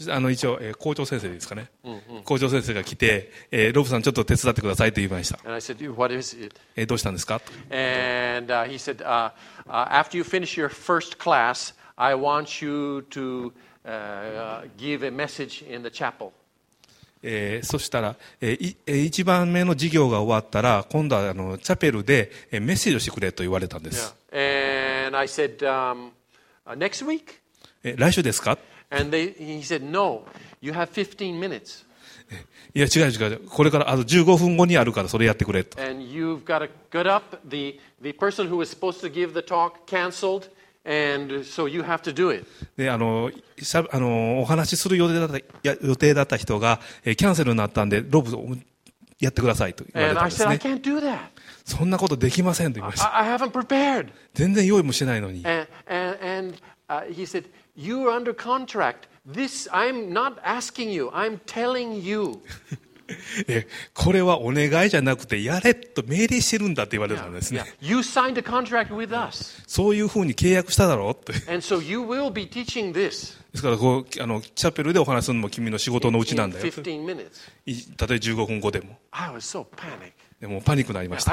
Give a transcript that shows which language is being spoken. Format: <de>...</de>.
<ja>一応、校長先生ですかね。校長先生が来て、ロブさんちょっと手伝ってくださいと言いました。</ja> <en>And I said, what is it?</en> <ja>どうしたんですか?</ja> <en>And he said, after you finish your first class, I want you to give a message in the chapel.</en> <ja>そしたら、一番目の授業が終わったら、今度はチャペルで、メッセージをしてくれと言われたんです。</ja> <en>Yeah. And I said, next week?</en> <ja>来週ですか？</ja> <en>And he said, no, you have 15 minutes.</en> <ja>いや、違う違う。これから、あと15分後にあるから、それやってくれと。</ja> <en>And you've got to get up. The person who was supposed to give the talk canceled. And so you have to do it.</en> <ja>で、お話しする予定だった人が、キャンセルになったんで、ロブやってくださいと言われたんですね。</ja> <en>And I said, I can't do that.</en> <ja>そんなことできませんと言いました。</ja> <en>I haven't prepared.</en> <ja>全然用意もしないのに。</ja> <en>He said, you're under contract. This, I'm not asking you. I'm telling you.</en> <ja>これはお願いじゃなくてやれと命令してるんだって言われたんですね。</ja> <en>yeah, yeah. You signed a contract with us.</en> <ja>そういうふうに契約しただろうって。</ja> <en>And so you will be teaching this.</en> <ja>ですからこうチャペルでお話するのも君の仕事のうちなんだよ。</ja> <en>In 15 minutes.</en> <ja>たとえ15分後でも。</ja> <en>I was so panicked.</en> <ja>でもパニックになりました。</ja>